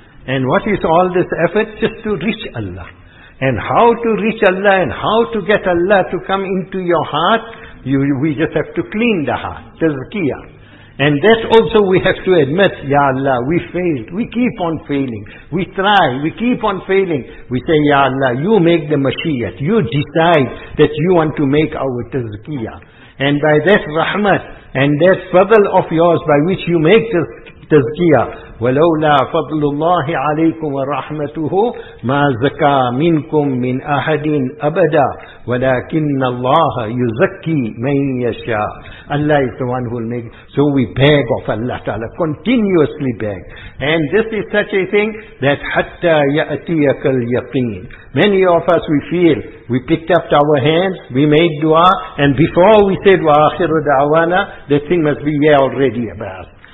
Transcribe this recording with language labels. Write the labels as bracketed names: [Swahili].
[English] And what is all this effort? Just to reach Allah. And how to reach Allah and how to get Allah to come into your heart, we just have to clean the heart, tazkiyah. And that also we have to admit, Ya Allah, we failed. We keep on failing. We try. We keep on failing. We say, Ya Allah, you make the Mashiyat. You decide that you want to make our tazkiyah. And by that rahmat and that fadl of yours by which you make this tazkiyah, [Arabic] وَلَوْلَا فَضْلُ اللَّهِ عَلَيْكُمْ وَرَحْمَتُهُ مَا زَكَى مِنْكُمْ مِنْ أَحَدٍ أَبَدًا وَلَكِنَّ اللَّهَ يُزَكِّي مَنْ يَشَاءُ. [English] Allah is the one who will make. So we beg of Allah Ta'ala, continuously beg. And this is such a thing that [Arabic] حَتَّى يَأْتِيَكَ الْيَقِينَ. [English] Many of us, we feel, we picked up our hands, we made dua, and before we said [Arabic] وَآخِرُ دَعْوَانَا, [English] the thing must be here already about.